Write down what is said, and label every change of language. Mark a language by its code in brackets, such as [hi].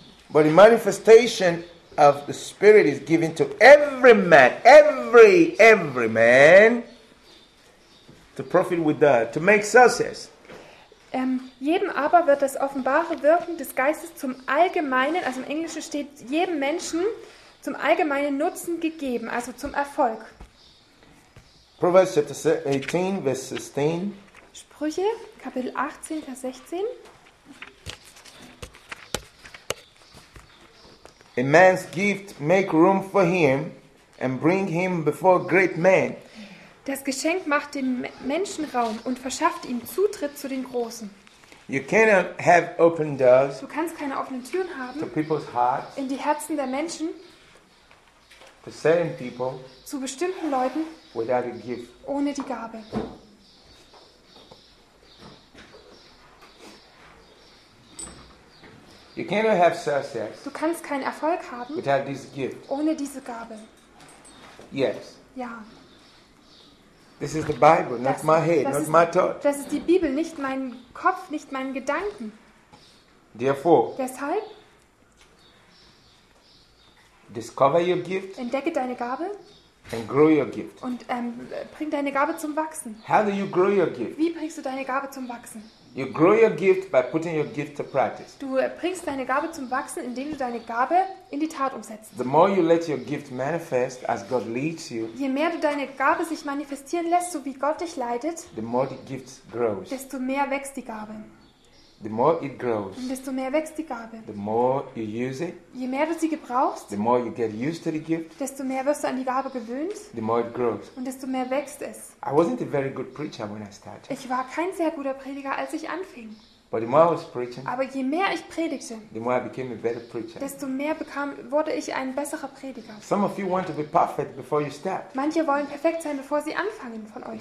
[en] But the manifestation of the Spirit is given to every man, every man, to profit with that, to make success. [de] Jedem aber wird das offenbare Wirken des Geistes zum allgemeinen, also im Englischen steht, jedem Menschen zum allgemeinen Nutzen gegeben, also zum Erfolg. [en] Proverbs chapter 18, verse 16. [de] Sprüche, Kapitel 18, Vers 16. [en] A man's gift make room for him and bring him before great men. [de] Das Geschenk macht dem Menschen Raum und verschafft ihm Zutritt zu den Großen. [en] You cannot have open doors. [de] Du kannst keine offenen Türen haben. [en] To people's hearts. [de] In die Herzen der Menschen. [en] To certain people. [de] Zu bestimmten Leuten. [en] Without a gift. [de] Ohne die Gabe. [en] You cannot have success. [de] Du kannst keinen Erfolg haben. [en] Without this gift. [de] Ohne diese Gabe. [en] Yes. [de] Ja. [en] This is the Bible, not my head, not my thought. [de] Das ist die Bibel, nicht mein Kopf, nicht meinen Gedanken. [en] Therefore. [de] Deshalb. [en] Discover your gift. [de] Entdecke deine Gabe. [en] And grow your gift. [de] Und bring deine Gabe zum Wachsen. [en] How do you grow your gift? [de] Wie bringst du deine Gabe zum Wachsen? [en] You grow your gift by putting your gift to practice. [de] Du bringst deine Gabe zum Wachsen, indem du deine Gabe in die Tat umsetzt. [en] The more you let your gift manifest as God leads you. [de] Je mehr du deine Gabe sich manifestieren lässt, so wie Gott dich leitet. [en] The more the gift grows. [de] Desto mehr wächst die Gabe. [en] The more it grows. [de] Und desto mehr wächst die Gabe. [en] The more you use it. [de] Je mehr du sie gebrauchst. [en] The more you get used to the gift. [de] Desto mehr wirst du an die Gabe gewöhnt. [en] The more it grows. [de] Und desto mehr wächst es. [en] I wasn't a very good preacher when I started. [de] Ich war kein sehr guter Prediger, als ich anfing. [en] But the more I was preaching. [de] Aber je mehr ich predigte. [en] The more I became a better preacher. [de] Desto mehr wurde ich ein besserer Prediger. [en] Some of you want to be perfect before you start. [de] Manche wollen perfekt sein, bevor sie anfangen von euch.